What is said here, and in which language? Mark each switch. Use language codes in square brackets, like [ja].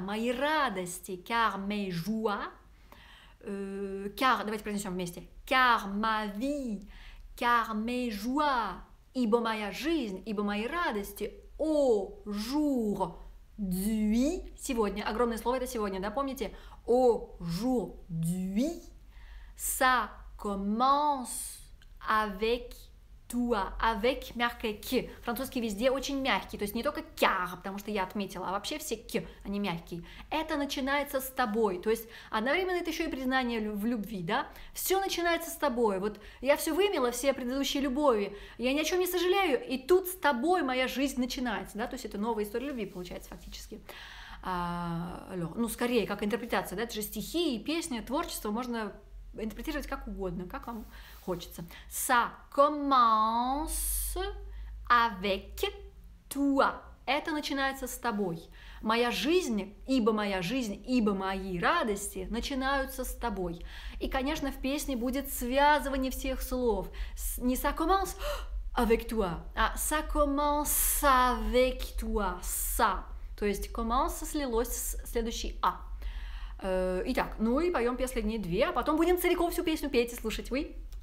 [ru] Мои радости. [fr] Car, mes joies. [ru] Car, давайте произнесем вместе. [fr] Car ma vie, car mes joies, [ru] ибо моя жизнь, ибо мои радости, aujourd'hui, сегодня, огромное слово это сегодня, да, помните? [fr] Aujourd'hui, ça commence avec toi, avec [ru] мягкое к. Французский везде очень мягкий, то есть не только car, потому что я отметила, а вообще все к, они мягкие. Это начинается с тобой, то есть одновременно это еще и признание в любви, да? Все начинается с тобой, вот я все вымела, все предыдущие любови, я ни о чем не сожалею, и тут с тобой моя жизнь начинается, да? То есть это новая история любви получается фактически. Ну, скорее, как интерпретация, да? Это же стихи, песни, творчество, можно интерпретировать как угодно, как вам хочется. [fr] Ça commence avec toi. [ru] Это начинается с тобой. Моя жизнь, ибо моя жизнь, ибо мои радости начинаются с тобой. И, конечно, в песне будет связывание всех слов. [fr] Не ça commence avec toi, а ça commence avec toi. Ça. [ru] То есть commence слилось с следующей а. Итак, ну и поем последние две, а потом будем целиком всю песню петь и слушать. Oui.